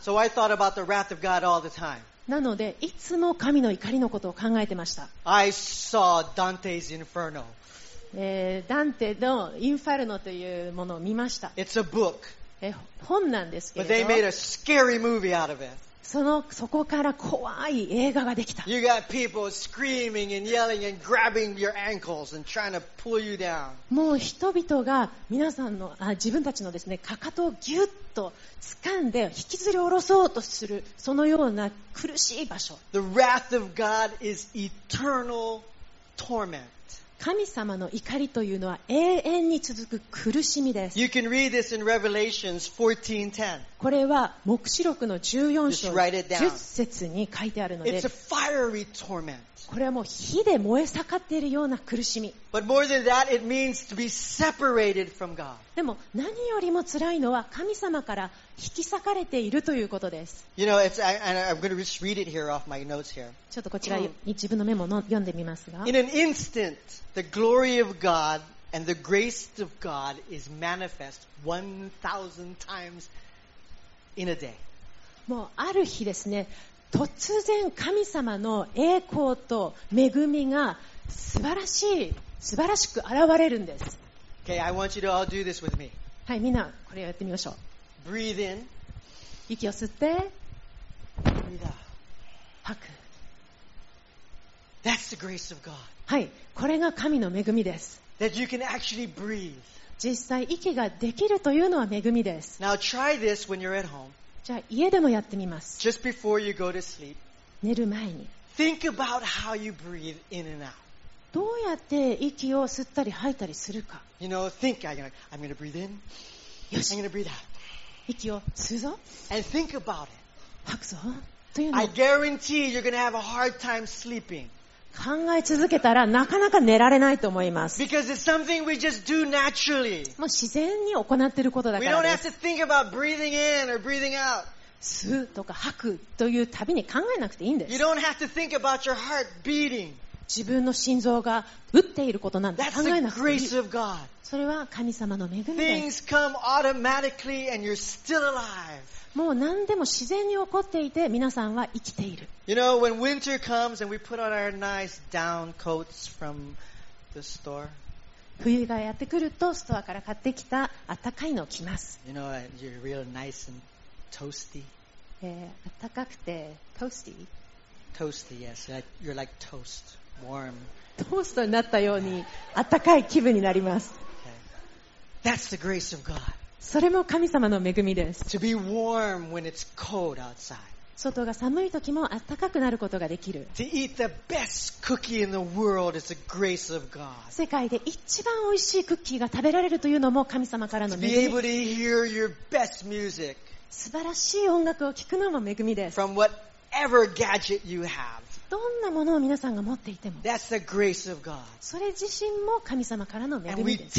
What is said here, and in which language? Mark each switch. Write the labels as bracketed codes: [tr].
[en] so、I thought about the wrath of God all the time. [ja] なのでいつも神の怒りのことを考えてました。 [en] I saw Dante's Inferno. [ja] ダンテのインファルノというものを見ました。 [en] It's a book. [ja] 本なんですけれど、 [en] But they made a scary movie out of it. [ja] そこから怖い映画ができた。 [en] You got people screaming and yelling and grabbing your ankles and trying to pull you down. [ja] もう人々が皆さんの、自分たちのですね、かかとをギュッと掴んで引きずり下ろそうとする、そのような苦しい場所。 [en] The wrath of God is eternal torment. [ja] 神様の怒りというのは永遠に続く苦しみです。 [en] You can read this in Revelations 14:10. [ja] これは黙示録の14章10節に書いてあるので、 [en] It's a fiery torment. [ja] これはもう火で燃え盛っているような苦しみ。 [en] But more than that, it means to be separated from God. [ja] でも何よりも辛いのは神様から引き裂かれているということです。 [en] You know, I'm going to just read it here off my notes here. [ja] ちょっとこちらに自分のメモを読んでみますが。 [en] In an instant, the glory of God and the grace of God is manifest 1,000 times in a day. [ja] もうある日ですね、突然神様の栄光と恵みが素晴らしく現れるんです。 [en] Okay, I want you to all do this with me. [ja] はい、みんなこれをやってみましょう。 [en] Breathe in. [ja] 息を吸って。 [en] Breathe out. [ja] 吐く。 [en] That's the grace of God. [ja] はい、これが神の恵みです。 [en] That you can actually breathe. [ja] 実際息ができるというのは恵みです。 [en] Now try this when you're at home. [ja] じゃあ家でもやってみます。 [en] Just before you go to sleep. [ja] 寝る前に。 [en] Think about how you breathe in and out. [ja] どうやって息を吸ったり吐いたりするか。 [en] You know, think, I'm gonna breathe in. [ja] よし。 [en] I'm gonna breathe out. [ja] 息を吸うぞ。 [en] And think about it. [ja] 吐くぞ。というの。 [en] I guarantee you're gonna have a hard time sleeping. [ja] 考え続けたらなかなか寝られないと思います。 [en] Because it's something we just do naturally. [ja] もう自然に行っていることだからです。 [en] We don't have to think about breathing in or breathing out. [ja] 吸うとか吐くというたびに考えなくていいんです。 [en] You don't have to think about your heart beating. [ja] 自分の心臓が打っていることなんて考えなくていい。それは神様の恵みです。 [en] Things come automatically and you're still alive. [ja] もう何でも自然に起こっていて皆さんは生きている。 [en] You know, when winter comes and we put on our nice down coats from the store. [ja] 冬がやってくるとストアから買ってきた暖かいのを着ます。 [en] You know, you're real nice and toasty. [ja] 暖かくて toasty? [en] Toasty, yes. You're like toast. Warm. [ja] トーストになったように温かい気分になります。 [en] Okay. That's the grace of God. [ja] それも神様の恵みです。 [en] To be warm when it's cold outside. [ja] 外が寒い時も温かくなることができる。 [en] To eat the best cookie in the world is the grace of God. [ja] 世界で一番美味しいクッキーが食べられるというのも神様からの恵み。 [en] To be able to hear your best music. [ja] 素晴らしい音楽を聴くのも恵みです。 [en] From whatever gadget you have. [ja] どんなものを皆さんが持っていても、 [en] That's the grace of God. [ja] それ自身も神様からの恵みです。